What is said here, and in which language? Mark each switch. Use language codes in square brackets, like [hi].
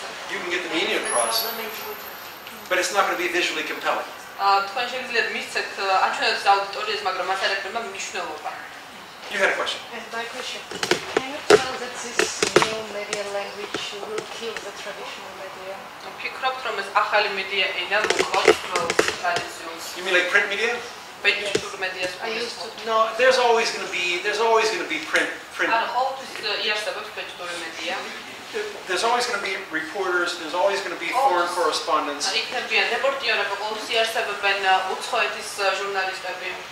[en] You can get the meaning across. But it's not going to be visually compelling. [ka] თქვენ შეგიძლიათ მისცეთ აჩვენოთ აუდიტორიას, მაგრამ მას არ აქვს მნიშვნელობა. [en] You had a question. My question. Can you tell that this new media language will kill the traditional media? [ka] ფიქრობთ რომ ეს ახალი მედია ენა მოკლავს ტრადიციულს? [en] You mean like print media? Digital media. No, there's always going to be print. And how to say yes about digital media? There's always going to be reporters, there's always going to be foreign correspondents. And it can be a reporter or also yes about [ka] უცხოეთის ჟურნალისტები.